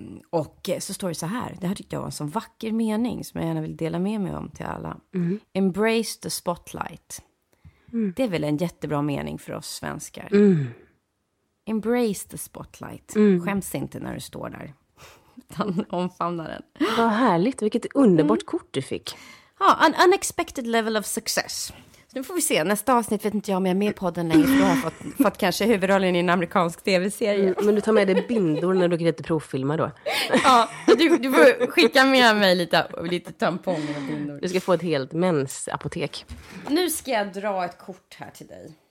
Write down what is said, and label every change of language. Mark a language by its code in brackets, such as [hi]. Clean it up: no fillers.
[sv] Och så står det så här. Det här tyckte jag var en sån vacker mening som jag gärna vill dela med mig om till alla. Mm. [en] Embrace the spotlight. Mm. [sv] Det är väl en jättebra mening för oss svenskar. Mm. [en] Embrace the spotlight. Mm. [sv] Skäms inte när du står där. Utan omfamna den. Vad härligt, vilket underbart kort du fick. [en] Ja, an unexpected level of success. [sv] Så nu får vi se, nästa avsnitt vet inte jag om jag är med på den längre. Du har fått kanske huvudrollen i en amerikansk tv-serie. Men du tar med dig bindor när du går till provfilma då. Ja, du får skicka med mig lite tamponger och bindor. Du ska få ett helt mensapotek. Nu ska jag dra ett kort här till dig.